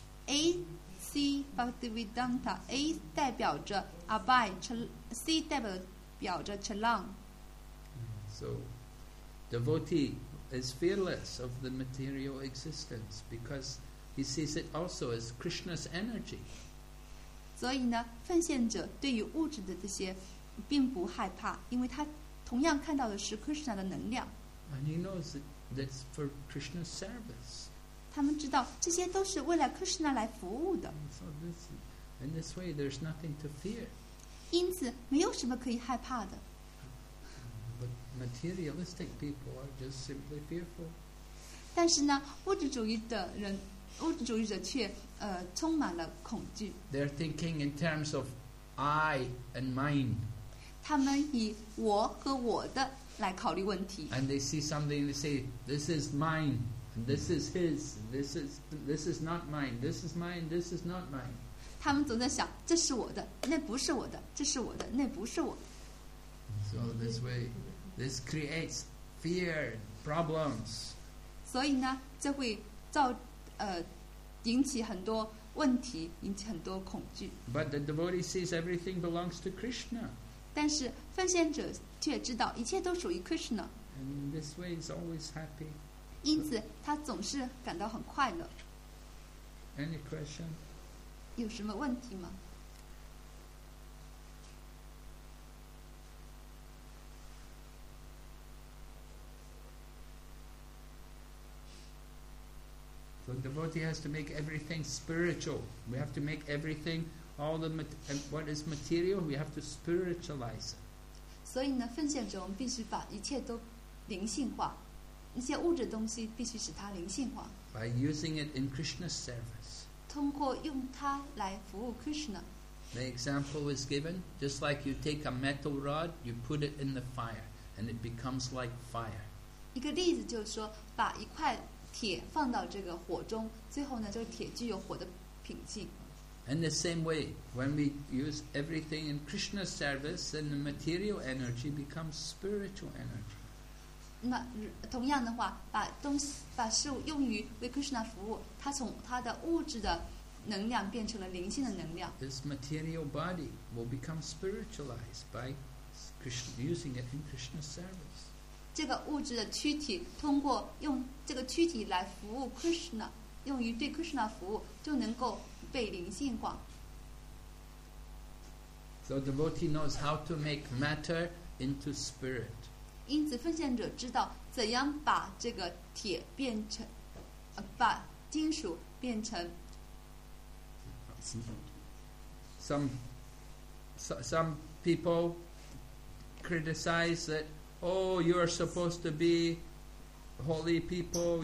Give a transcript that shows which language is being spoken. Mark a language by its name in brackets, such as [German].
[Chinese] A.C. Bhaktivedanta A 代表着 Abhay Charan. C 代表着 Chalang. [English] So, devotee is fearless of the material existence because he sees it also as Krishna's energy. [Chinese] 所以呢，奉献者对于物质的这些并不害怕，因为他同样看到的是 Krishna 的能量。 [English] And he knows that it's for Krishna's service. [Chinese] 他们知道这些都是为了 Krishna 来服务的。 [English] So this, in this way, there's nothing to fear. [Chinese] 因此没有什么可以害怕的。 [English] But materialistic people are just simply fearful. [Chinese] 但是呢，物质主义的人，物质主义者却充满了恐惧。 [English] They're thinking in terms of I and mine. [Chinese] 他们以我和我的来考虑问题。 [English] And they see something, they say, this is mine, and this is his, and this is not mine, this is mine, this is not mine. [Chinese] 他们总在想，这是我的，那不是我的，这是我的，那不是我的。 [English] So this way, this creates fear, problems. [Chinese] 所以呢，这会造引起很多问题，引起很多恐惧。 [English] But the devotee sees everything belongs to Krishna. [Chinese] 但是奉献者却知道一切都属于 Krishna. [English] And in this way, he's always happy. [Chinese] 因此，他总是感到很快乐。 [English] Any question? [Chinese] 有什么问题吗？ [English] The devotee has to make everything spiritual. We have to make everything, all the what is material, we have to spiritualize it. [Chinese] 所以呢，奉献者我们必须把一切都灵性化，一些物质东西必须使它灵性化。 [English] By using it in Krishna's service. [Chinese] 通过用它来服务 Krishna. [English] The example is given, just like you take a metal rod, you put it in the fire, and it becomes like fire. [Chinese] 一个例子就是说，把一块铁放到这个火中，最后呢，这个铁具有火的品性。 [English] In the same way, when we use everything in Krishna's service, then the material energy becomes spiritual energy. [Chinese] 那同样的话，把东西把事物用于为 Krishna 服务，它从它的物质的能量变成了灵性的能量。 [English] This material body will become spiritualized by Krishna, using it in Krishna's service. [Chinese] 这个物质的躯体通过用这个躯体来服务 Krishna 用于对 Krishna 服务就能够被灵性化 [English] So the devotee knows how to make matter into spirit [Chinese] 因此奉献者知道怎样把这个铁变成把金属变成 [English] Some people criticize thatOh, you are supposed to be holy people.